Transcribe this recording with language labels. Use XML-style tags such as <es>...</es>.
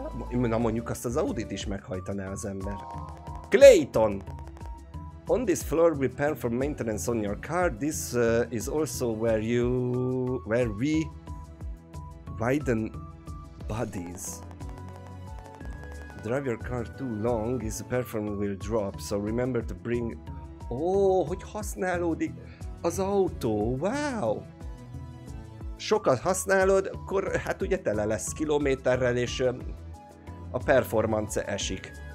<hu>Na mondjuk azt az Audit is meghajtaná az ember.</hu> <en>Clayton! On this floor we perform maintenance on your car. This is also where we widen bodies. Drive your car too long, his performance will drop. So remember to bring...</en> <hu>Oh, hogy használódik az autó. Wow! Sokat használod, akkor hát ugye tele lesz kilométerrel, és a performance esik.</hu>